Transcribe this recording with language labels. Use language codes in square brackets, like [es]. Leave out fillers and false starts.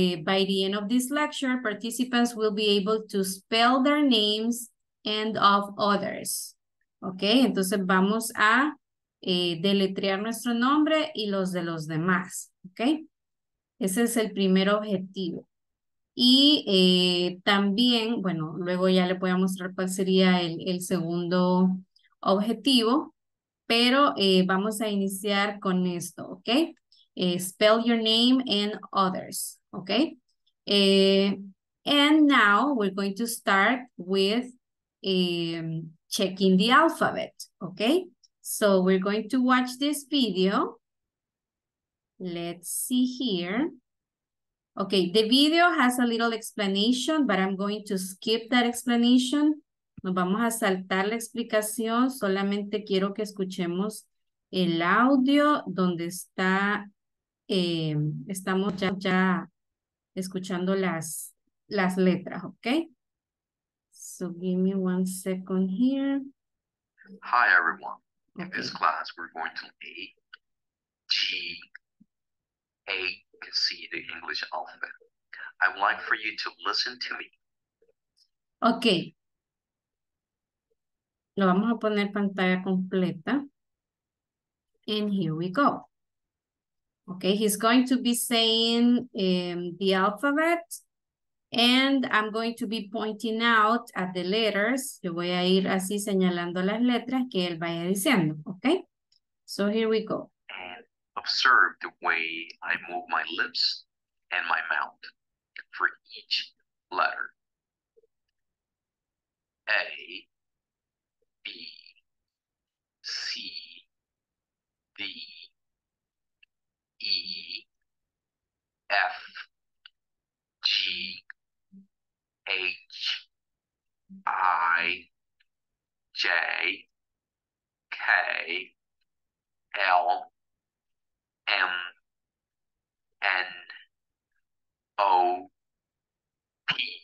[en] By the end of this lecture, participants will be able to spell their names and of others. [es] Ok, entonces vamos a deletrear nuestro nombre y los de los demás. ¿Okay? Ese es el primer objetivo. Y también, bueno, luego ya le voy a mostrar cuál sería el segundo objetivo, pero vamos a iniciar con esto, ¿ok? [en] Spell your name and others, ¿ok? And now we're going to start with checking the alphabet, ¿ok? So we're going to watch this video. Let's see here. Okay, the video has a little explanation, but I'm going to skip that explanation. [es] Nos vamos a saltar la explicación. Solamente quiero que escuchemos el audio donde está, estamos ya escuchando las letras, okay? [en] So give me one second here. Hi, everyone. In Okay. this class, we're going to A can see the English alphabet. I'd like for you to listen to me. Okay. [es] Lo vamos a poner pantalla completa. [en] And here we go. Okay, he's going to be saying the alphabet. And I'm going to be pointing out at the letters. [es] Yo voy a ir así señalando las letras que él vaya diciendo. [en] Okay? So here we go. And observe the way I move my lips and my mouth for each letter. A, B, C, D, E, F, G, H, I, J, K, L, M, N, O, P,